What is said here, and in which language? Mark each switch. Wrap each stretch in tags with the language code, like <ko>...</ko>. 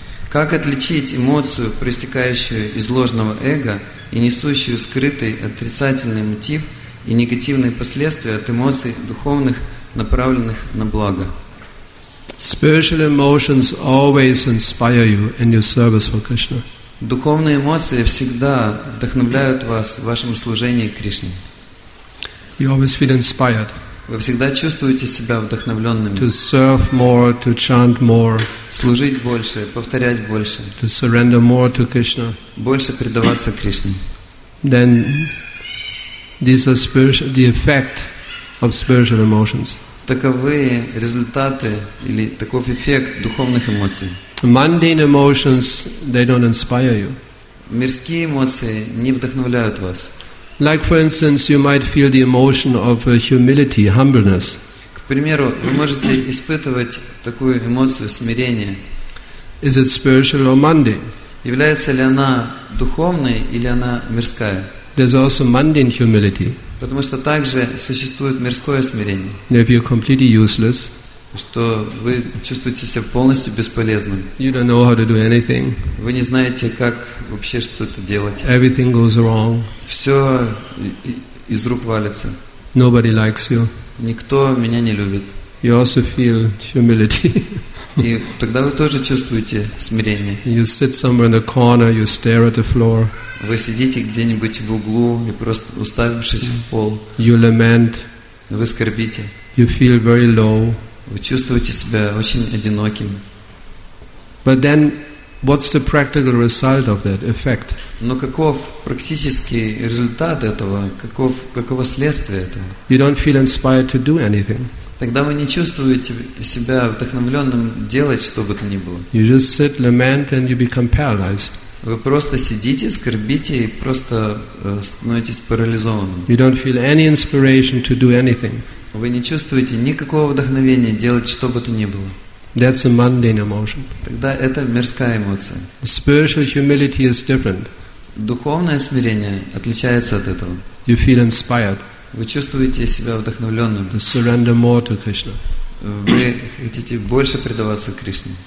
<ru>Как отличить эмоцию, проистекающую из ложного эго и несущую скрытый отрицательный мотив и негативные последствия от эмоций духовных, направленных на благо?</ru> <en>Spiritual emotions always inspire you in your service for Krishna.</en> <ru>Духовные эмоции всегда вдохновляют вас в вашем служении Кришне.</ru> <en>You always feel inspired.</en> <ru>Вы всегда чувствуете себя вдохновленным.</ru> <en>To serve more, to chant more.</en> <ru>Служить больше, повторять больше.</ru> <en>To surrender more to Krishna.</en> <ru>Больше предаваться Кришне.</ru> <en>Then these are spiritual, the effect of spiritual emotions.</en> <ru>Таковы результаты или таков эффект духовных эмоций.</ru> <en>Mundane emotions, they don't inspire you.</en> <ru>Мирские эмоции не вдохновляют вас.</ru> <en>Like, for instance, you might feel the emotion of humility, humbleness.</en> <ru>К примеру, вы можете испытывать такую эмоцию смирения.</ru> <en>Is it spiritual or mundane?</en> <ru>Является ли она духовной или она мирская?</ru> <en>There's also mundane humility.</en> <ru>Потому что также существует мирское смирение.</ru> <en>If you're completely useless,</en> <ru>что вы чувствуете себя полностью бесполезным.</ru> <en>You don't know how to do anything.</en> <ru>Вы не знаете, как вообще что-то делать.</ru> <en>Everything goes wrong.</en> <ru>Все из рук валится.</ru> <en>Nobody likes you.</en> <ru>Никто меня не любит.</ru> <en>You also feel humility.</en> <ru>И тогда вы тоже чувствуете смирение.</ru> <en>You sit somewhere in the corner, you stare at the floor.</en> <ru>Вы сидите где-нибудь в углу и просто уставившись в пол.</ru> <en>You lament.</en> <ru>Вы скорбите.</ru> <en>You feel very low.</en> <ru>Вы чувствуете себя очень одиноким.</ru> <en>But then, what's the practical result of that effect?</en> <ru>Но каков практический результат этого? Каково следствие этого?</ru> <en>You don't feel inspired to do anything.</en> <ru>Тогда вы не чувствуете себя вдохновленным делать что бы то ни было.</ru> <en>You just sit, lament, and you become paralyzed.</en> <ru>Вы просто сидите, скорбите и просто становитесь парализованным.</ru> <en>You don't feel any inspiration to do anything.</en> <ru>Вы не чувствуете никакого вдохновения делать что бы то ни было.</ru> <en>That's a mundane emotion.</en> <ru>Тогда это мирская эмоция.</ru> <en>Spiritual humility is different.</en> <ru>Духовное смирение отличается от этого.</ru> <en>You feel inspired.</en> <ru>Вы чувствуете себя вдохновленным.</ru> <en>To surrender more to Krishna.</en> <ru>Вы хотите больше предаваться Кришне.</ru>